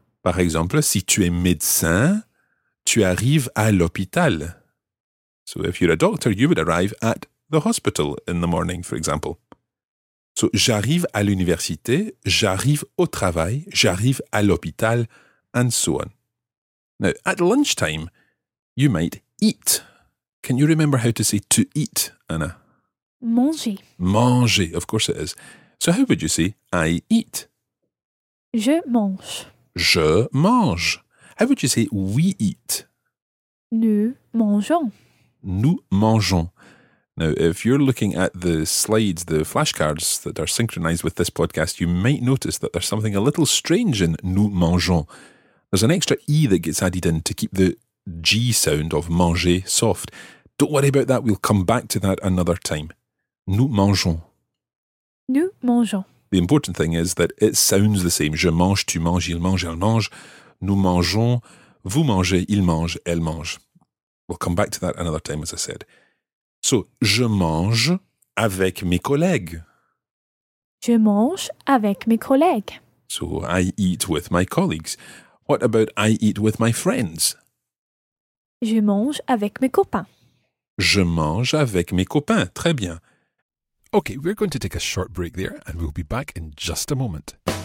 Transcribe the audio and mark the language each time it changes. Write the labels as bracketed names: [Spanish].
[French] Par exemple, si tu es médecin, tu arrives à l'hôpital. [English] So if you're a doctor, you would arrive at the hospital in the morning, for example. [French] So j'arrive à l'université, j'arrive au travail, j'arrive à l'hôpital, [English] and so on. Now, at lunchtime, you might eat. Can you remember how to say to eat, Anna? [French] Manger. [English] Manger, of course it is. So how would you say I eat? [French] Je mange. Je mange. [English] How would you say we eat? [French] Nous mangeons. Nous mangeons. [English] Now, if you're looking at the slides, the flashcards that are synchronized with this podcast, you might notice that there's something a little strange in [French] nous mangeons. [English] There's an extra E that gets added in to keep the G sound of manger soft. Don't worry about that. We'll come back to that another time. [French] Nous mangeons. Nous mangeons. [English] The important thing is that it sounds the same. [French] Je mange, tu manges, il mange, elle mange. Nous mangeons, vous mangez, il mange, elle mange. [English] We'll come back to that another time, as I said. [French] So, je mange avec mes collègues. Je mange avec mes collègues. [English] So, I eat with my colleagues. What about I eat with my friends? [French] Je mange avec mes copains. Je mange avec mes copains. Très bien. [English] Okay, we're going to take a short break there and we'll be back in just a moment.